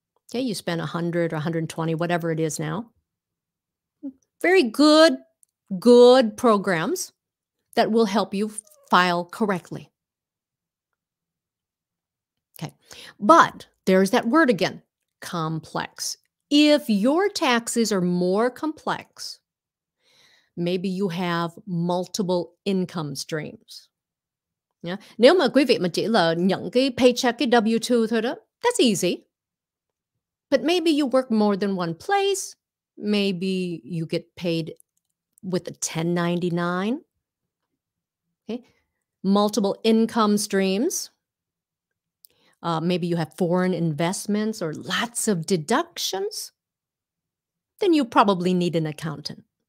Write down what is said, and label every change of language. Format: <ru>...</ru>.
<en>Okay, you spend $100 or $120, whatever it is now. Very good, good programs that will help you file correctly. Okay. But there's that word again, complex. If your taxes are more complex, maybe you have multiple income streams. Yeah.</en> <vi>Nếu mà quý vị mà chỉ là nhận cái paycheck cái W-2 thôi đó,</vi> <en>that's easy. But maybe you work more than one place. Maybe you get paid with a 1099. Okay, multiple income streams. maybe you have foreign investments or lots of deductions, then you probably need an accountant.</en>